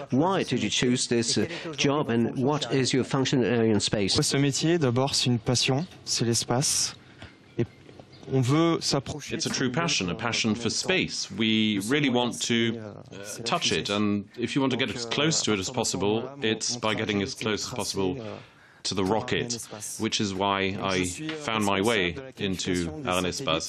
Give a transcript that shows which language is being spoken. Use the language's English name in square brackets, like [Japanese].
[English] Why did you choose this job and what is your function at Arianespace? [French] Ce métier, d'abord, c'est une passion, c'est l'espace. On veut s'approcher. [English] It's a true passion, a passion for space. We really want to touch it. And if you want to get as close to it as possible, it's by getting as close as possible to the rocket, which is why I found my way into Arianespace.